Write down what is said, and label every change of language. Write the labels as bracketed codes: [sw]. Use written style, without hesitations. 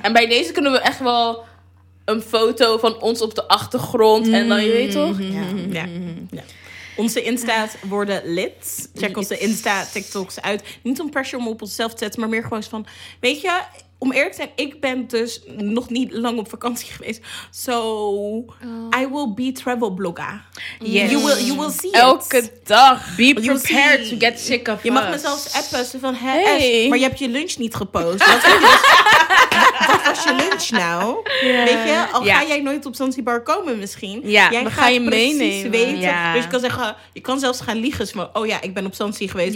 [nl] En bij deze kunnen we echt wel een foto van ons op de achtergrond. Mm. En dan, je weet toch? Ja. Onze Insta's worden lit. Check onze Insta, TikToks uit. Niet om pressure om op onszelf te zetten, maar meer gewoon van, weet je, om eerlijk te zijn, ik ben dus nog niet lang op vakantie geweest. [en] So, I will be travel blogger. Yes. You will see it. [nl] Elke dag. [en] Be prepared to get sick of us. [nl] Je mag me zelfs appen. Zo van, hey. Maar je hebt je lunch niet gepost. Wat is dus, wat was je lunch nou? [en] Yeah. [nl] Weet je, al ga jij nooit op Zanzibar komen misschien. Ja, jij gaat ga je precies meenemen. Weten. Ja. Dus je kan zeggen, je kan zelfs gaan liegen. Maar, oh ja, ik ben op Zanzibar geweest.